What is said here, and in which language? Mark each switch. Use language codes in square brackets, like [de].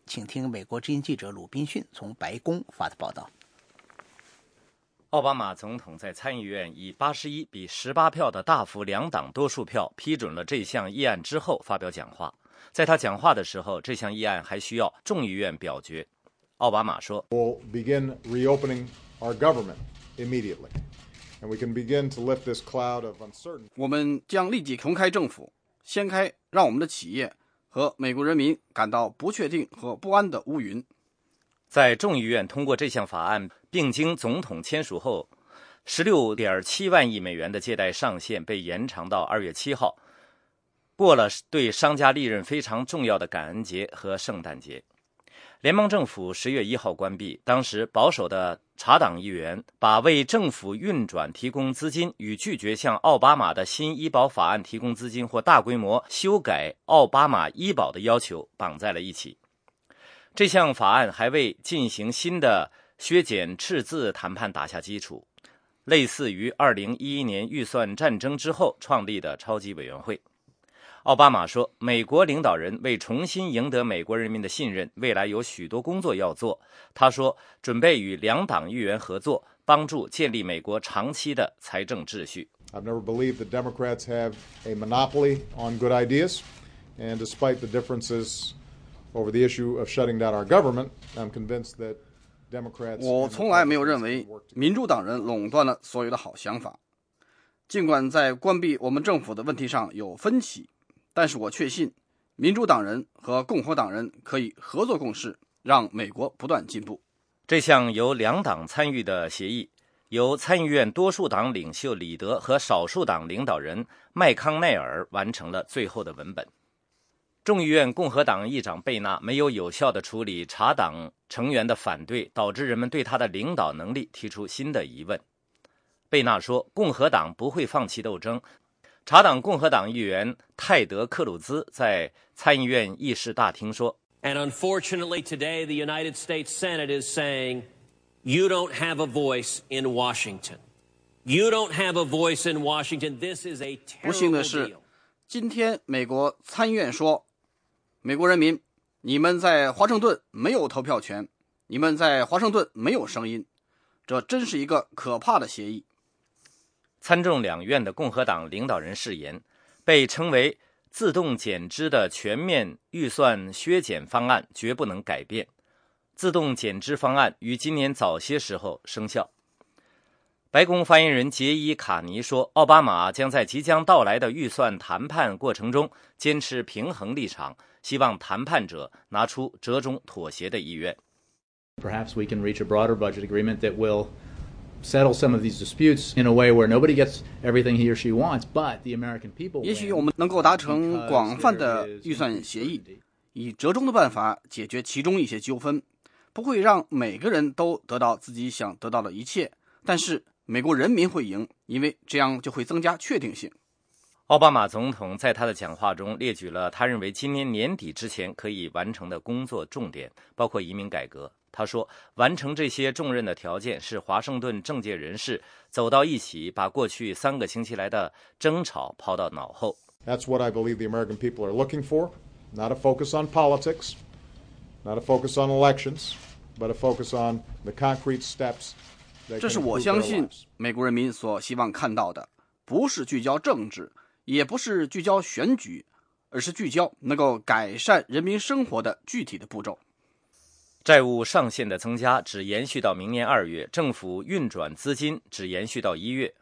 [zh] 请听美国之音记者鲁宾逊从白宫发的报道。奥巴马总统在参议院以81-18票的大幅两党多数票批准了这项议案之后发表讲话。在他讲话的时候，这项议案还需要众议院表决。奥巴马说 [en] ：“We'll begin reopening our government immediately, and we can begin to lift this cloud of uncertainty.” [zh] 我们将立即重开政府，掀开让我们的企业和美国人民感到不确定和不安的乌云。在众议院通过这项法案并经总统签署后，16.7万亿美元的借贷上限被延长到2月7号。过了对商家利润非常重要的感恩节和圣诞节，联邦政府10月1号关闭。当时保守的查党议员把为政府运转提供资金与拒绝向奥巴马的新医保法案提供资金或大规模修改奥巴马医保的要求绑在了一起。这项法案还为进行新的削减赤字谈判打下基础，类似于2011年预算战争之后创立的超级委员会。奥巴马说，美国领导人为重新赢得美国人民的信任，未来有许多工作要做。他说，准备与两党议员合作，帮助建立美国长期的财政秩序。 [en] I've never believed the Democrats have a monopoly on good ideas, and despite the differences over the issue of shutting down our government, I'm convinced that Democrats. [zh] 我从来没有认为民主党人垄断了所有的好想法，尽管在关闭我们政府的问题上有分歧。但是我确信民主党人和共和党人可以合作共事，让美国不断进步。这项由两党参与的协议由参议院多数党领袖里德和少数党领导人麦康奈尔完成了最后的文本。众议院共和党议长贝纳没有有效地处理查党成员的反对，导致人们对他的领导能力提出新的疑问。贝纳说，共和党不会放弃斗争。查党共和党议员泰德·克鲁兹在参议院议事大厅说 [en] ：“And unfortunately, today the United States Senate is saying, you don't have a voice in Washington. You don't have a voice in Washington. This is a terrible deal. [zh] 不幸的是，今天美国参议院说，美国人民，你们在华盛顿没有投票权，你们在华盛顿没有声音，这真是一个可怕的协议。” 参众两院的共和党领导人誓言，被称为自动减支的全面预算削减方案绝不能改变。自动减支方案于今年早些时候生效。白宫发言人杰伊·卡尼说，奥巴马将在即将到来的预算谈判过程中坚持平衡立场，希望谈判者拿出折中妥协的意愿。 [en] Perhaps we can reach a broader budget agreement that willsettle some of these disputes in a way where nobody gets everything he or she wants, but the American people. [zh] 也许我们能够达成广泛的预算协议，以折中的办法解决其中一些纠纷，不会让每个人都得到自己想得到的一切，但是美国人民会赢，因为这样就会增加确定性。奥巴马总统在他的讲话中列举了他认为今年年底之前可以完成的工作重点，包括移民改革。他说，完成这些重任的条件是华盛顿政界人士走到一起，把过去3个星期来的争吵抛到脑后。 [en] That's what I believe the American people are looking for, not a focus on politics, not a focus on elections, but a focus on the concrete steps that can improve their lives. [zh] 这是我相信美国人民所希望看到的，不是聚焦政治，也不是聚焦选举，而是聚焦能够改善人民生活的具体的步骤。债务上限的增加只延续到明年二月，政府运转资金只延续到一月。